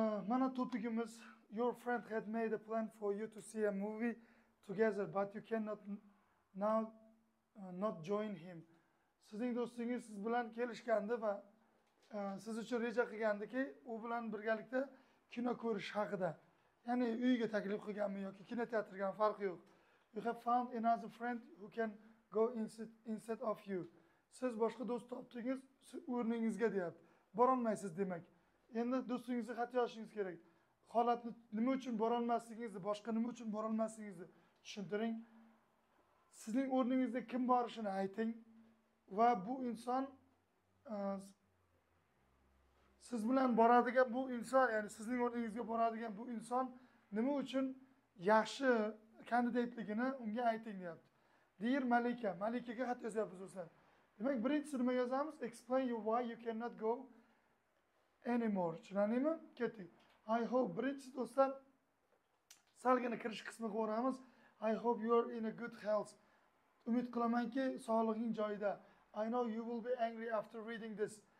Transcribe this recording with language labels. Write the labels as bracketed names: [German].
[Uzbek] Mana topikimiz [English] your friend had made a plan for you to see a movie together but you cannot now not join him. [Uzbek] Sizning do'stingiz siz bilan kelishgandi va siz uchun reja qilgandiki, u bilan birgalikda kino ko'rish haqida. Ya'ni uyiga taklif qilganmi yoki kinoteatrga, farqi yo'q. [English] You have found another friend who can go instead of you. [Uzbek] Siz boshqa do'st topdingiz o'rningizga deyapti. Borolmaysiz demak. Endi do'stingizni xat yozishingiz kerak. Holatni nima uchun borolmasligingizni, boshqa nima uchun borolmasligingizni tushuntiring. Sizning o'rningizga kim borishini ayting va bu inson siz bilan boradigan bu inson, ya'ni sizning o'rningizga boradigan bu inson nima uchun yaxshi kandidatligini unga ayting deyapti. Dear Malika, Malikaga xat yozyapsiz o'zlar. Demak, birinchi nima yozamiz? [English] Explain you why you cannot go anymore. [Uzbek] Tushunamizmi? Keting. [English] I hope [Uzbek] birinchi do'stlar salgina kirish qismiga o'ramiz. [English] I hope you are in a good health. [Uzbek] Umid qilamanki, sog'lig'ing joyida. [English] I know you will be angry after reading this.